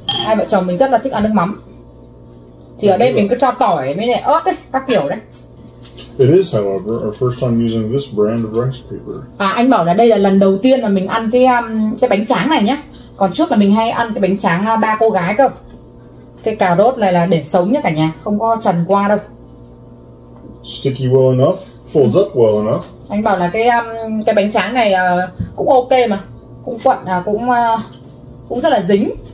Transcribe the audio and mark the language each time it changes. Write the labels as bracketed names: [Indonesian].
[Vietnamese] Hai vợ chồng mình rất là thích ăn nước mắm. Thì ở đây mình cứ cho tỏi mới này, ớt ấy, các kiểu đấy. [English] It is, however, our first time using this brand of rice paper. [Vietnamese] À, anh bảo là đây là lần đầu tiên mà mình ăn cái bánh tráng này nhá. Còn trước là mình hay ăn cái bánh tráng ba cô gái cơ. Cái cà rốt này là để sống nhá cả nhà, không có trần qua đâu. [English] Sticky well enough, folds up well enough. [Vietnamese] Anh bảo là cái bánh tráng này cũng ok mà, cũng quặn, cũng rất là dính.